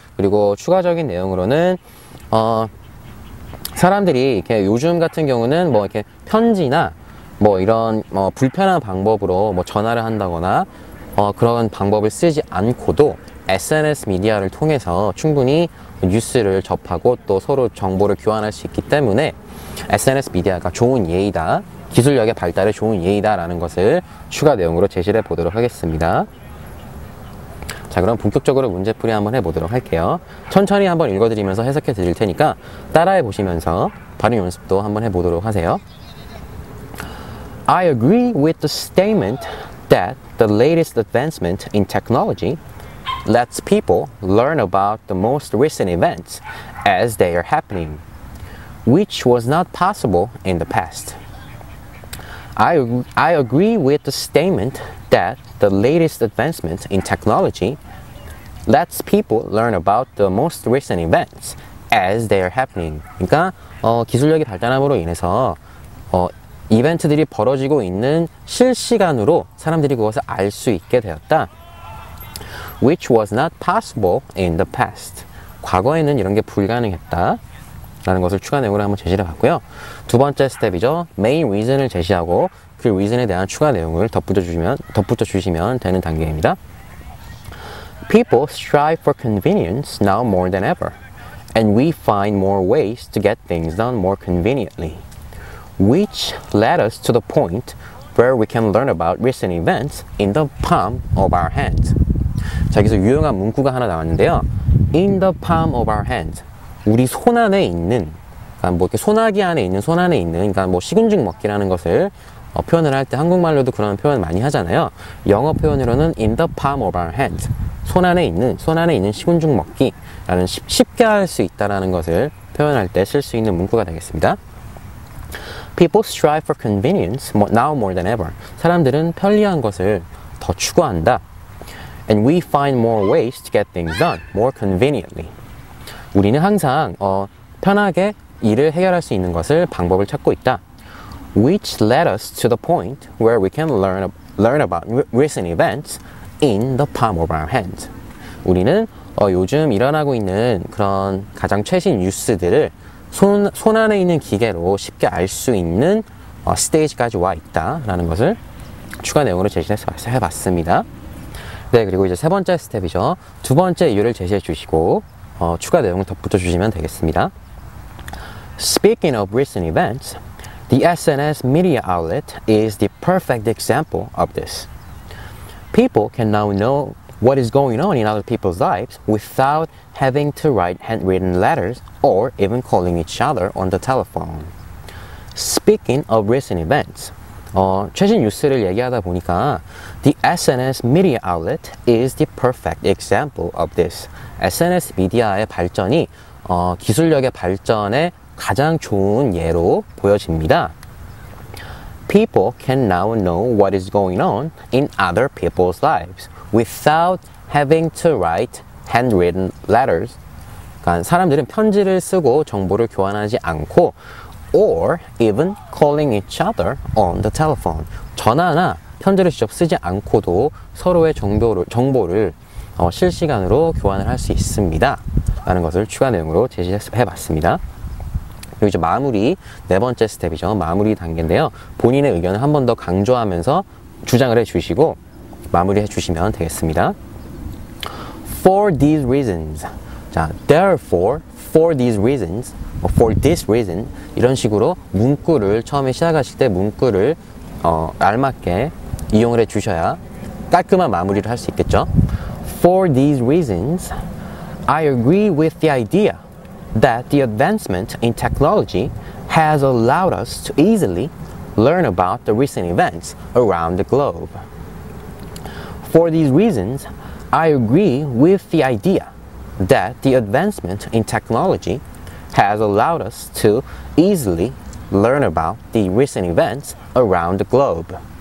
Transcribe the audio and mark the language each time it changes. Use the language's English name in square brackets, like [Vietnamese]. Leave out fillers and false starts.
[Korean] 그리고 추가적인 내용으로는 사람들이 이렇게 요즘 같은 경우는 뭐 이렇게 편지나 뭐 이런 뭐 불편한 방법으로 뭐 전화를 한다거나 그런 방법을 쓰지 않고도 SNS 미디어를 통해서 충분히 뉴스를 접하고 또 서로 정보를 교환할 수 있기 때문에 SNS 미디어가 좋은 예이다, 기술력의 발달에 좋은 예이다 라는 것을 추가 내용으로 제시를 해보도록 하겠습니다. 자, 그럼 본격적으로 문제풀이 한번 해보도록 할게요. 천천히 한번 읽어드리면서 해석해 드릴 테니까 따라해 보시면서 발음 연습도 한번 해보도록 하세요. [English] I agree with the statement that the latest advancement in technology lets people learn about the most recent events as they are happening, which was not possible in the past. I agree with the statement that the latest advancement in technology lets people learn about the most recent events as they are happening. [Korean] 그러니까 기술력이 발달함으로 인해서 이벤트들이 벌어지고 있는 실시간으로 사람들이 그것을 알 수 있게 되었다. [English] Which was not possible in the past. [Korean] 과거에는 이런 게 불가능했다 라는 것을 추가 내용으로 한번 제시를 해봤고요. 두 번째 스텝이죠. 메인 리즌을 제시하고 그 리즌에 대한 추가 내용을 덧붙여 주시면 되는 단계입니다. [English] People strive for convenience now more than ever. And we find more ways to get things done more conveniently. Which led us to the point where we can learn about recent events in the palm of our hands. [Korean] 자, 여기서 유용한 문구가 하나 나왔는데요. [English] in the palm of our hand. [Korean] 우리 손 안에 있는, 그러니까 뭐 이렇게 소나기 안에 있는, 손 안에 있는, 그러니까 뭐 식은죽 먹기라는 것을 표현을 할 때 한국말로도 그런 표현 많이 하잖아요. 영어 표현으로는 [English] in the palm of our hand. [Korean] 손 안에 있는, 손 안에 있는 식은죽 먹기라는 쉽게 할 수 있다라는 것을 표현할 때 쓸 수 있는 문구가 되겠습니다. [English] People strive for convenience now more than ever. [Korean] 사람들은 편리한 것을 더 추구한다. [English] And we find more ways to get things done more conveniently. [Korean] 우리는 항상 편하게 일을 해결할 수 있는 것을 방법을 찾고 있다. [English] Which led us to the point where we can learn about recent events in the palm of our hand. [Korean] 우리는 요즘 일어나고 있는 그런 가장 최신 뉴스들을 손 안에 있는 기계로 쉽게 알 수 있는 스테이지까지 와 있다라는 것을 추가 내용으로 제시해봤습니다. 네, 그리고 이제 세 번째 스텝이죠. 두 번째 이유를 제시해 주시고 추가 내용을 덧붙여 주시면 되겠습니다. [English] Speaking of recent events, the SNS media outlet is the perfect example of this. People can now know what is going on in other people's lives without having to write handwritten letters or even calling each other on the telephone. Speaking of recent events, [Korean] 최신 뉴스를 얘기하다 보니까 [English] the SNS media outlet is the perfect example of this. [Korean] SNS 미디어의 발전이 기술력의 발전의 가장 좋은 예로 보여집니다. [English] People can now know what is going on in other people's lives without having to write handwritten letters. [Korean] 그러니까 사람들은 편지를 쓰고 정보를 교환하지 않고 [English] or even calling each other on the telephone. [Korean] 전화나 편지를 직접 쓰지 않고도 서로의 정보를 실시간으로 교환을 할 수 있습니다. 라는 것을 추가 내용으로 제시해봤습니다. 그리고 이제 마무리, 네 번째 스텝이죠. 마무리 단계인데요. 본인의 의견을 한 번 더 강조하면서 주장을 해주시고 마무리해 주시면 되겠습니다. [English] For these reasons. 자, therefore, for these reasons, for this reason. [Korean] 이런 식으로 문구를 처음에 시작하실 때 문구를 알맞게 이용을 해주셔야 깔끔한 마무리를 할 수 있겠죠. [English] For these reasons, I agree with the idea that the advancement in technology has allowed us to easily learn about the recent events around the globe. For these reasons, I agree with the idea that the advancement in technology has allowed us to easily learn about the recent events around the globe.